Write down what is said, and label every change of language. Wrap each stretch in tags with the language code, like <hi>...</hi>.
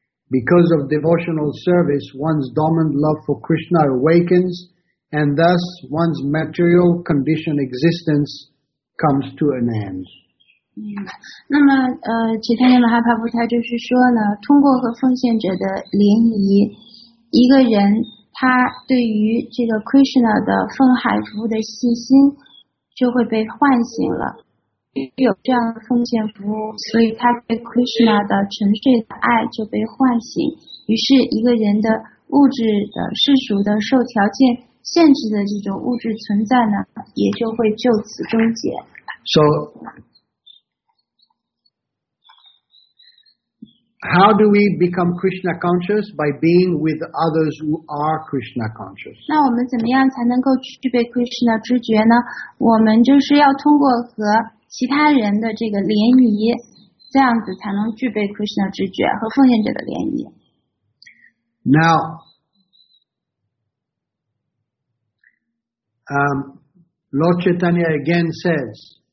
<en>Because of devotional service, one's dormant love for Krishna awakens, and thus one's material condition existence comes to an end.</en> <zh>那么其他的马哈帕布他就是说呢，通过和奉献者的联谊，一个人他对于这个 Krishna 的奉海服务的信心就会被唤醒了。有这样的奉献服务，所以他对 Krishna 的纯粹的爱就被唤醒。于是，一个人的物质的世俗的受条件限制的这种物质存在呢，也就会就此终结。</zh> <en>So, how do we become Krishna conscious by being with others who are Krishna conscious?</en> <zh>那我们怎么样才能够具备 Krishna 知觉呢？我们就是要通过和其他人的这个联谊，这样子才能具备 Krishna 知觉和奉献者的联谊。</zh> <en>Now, Lord Chaitanya again says.</en>